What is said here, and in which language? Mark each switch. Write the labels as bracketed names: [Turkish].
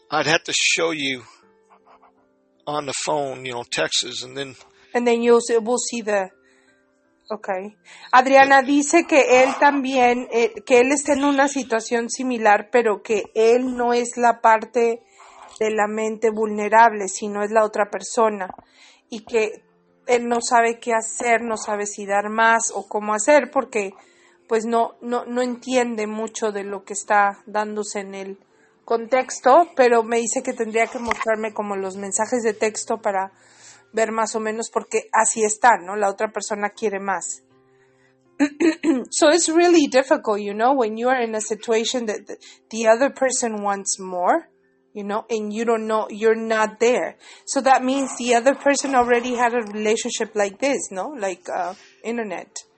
[English] I'd have to show you on the phone, you know, Texas, and then... And then we'll see the... Okay. [Spanish] Adriana dice que él también, que él está en una situación similar, pero que él no es la parte de la mente vulnerable, sino es la otra persona. Y que él no sabe qué hacer, no sabe si dar más o cómo hacer, porque pues no entiende mucho de lo que está dándose en el contexto, pero me dice que tendría que mostrarme como los mensajes de texto para ver más o menos, porque así está, ¿no? La otra persona quiere más. [English] So it's really difficult, you know, when you are in a situation that the other person wants more, you know, and you don't know, you're not there. So that means the other person already had a relationship like this, ¿no? Like internet.